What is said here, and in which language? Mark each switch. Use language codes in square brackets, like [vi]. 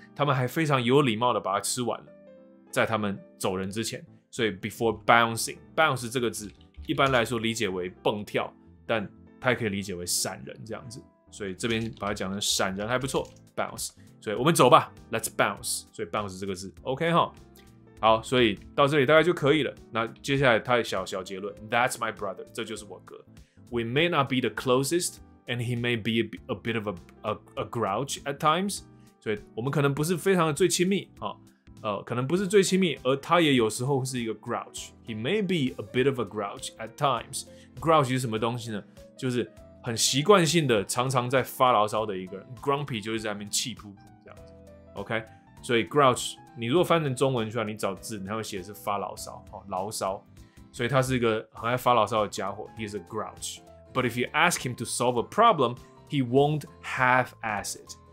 [zh] 他们还非常有礼貌的把它吃完了，在他们走人之前，所以 before bouncing 这个字一般来说理解为蹦跳，但它也可以理解为闪人这样子，所以这边把它讲成闪人还不错 ，bounce。所以我们走吧 ， [en] let's bounce。 [zh] 所以 bounce 这个字 ，OK 哈，好，所以到这里大概就可以了。那接下来他的小结论 ， [en] That's my brother， [zh] 这就是我哥。 [en] We may not be the closest， and he may be a bit of a grouch at times。 [zh] 所以我们可能不是非常的最亲密、哦可能不是最亲密，而他也有时候是一个 grouch。 [en] He may be a bit of a grouch at times。 Grouch [zh] 是什么东西呢？就是很习惯性的常常在发牢骚的一个人。 Grumpy 就是在那边气噗噗这样子。OK， 所以 grouch 你如果翻成中文出来，你找字，你会写的是发牢骚哦，牢骚。所以他是一个很爱发牢骚的家伙。 [en] He is a grouch。 But if you ask him to solve a problem, he won't half-ass it。